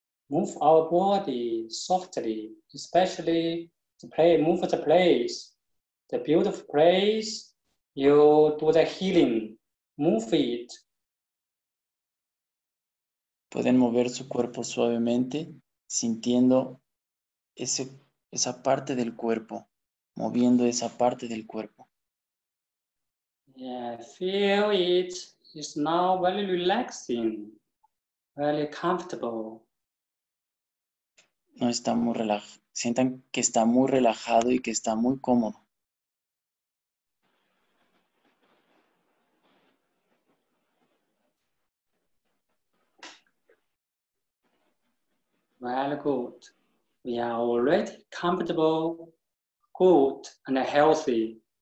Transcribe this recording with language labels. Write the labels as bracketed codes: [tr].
[en] Move our body softly, especially to play, move the place, the beautiful place, you do the healing, move it. [es] Pueden mover su cuerpo suavemente, sintiendo esa parte del cuerpo, moviendo esa parte del cuerpo. [en] Yeah, feel it, it's now very relaxing, very comfortable. [es] No está muy relajado. Sientan que está muy relajado y que está muy cómodo. [en] Well, good. We are already comfortable, good and healthy.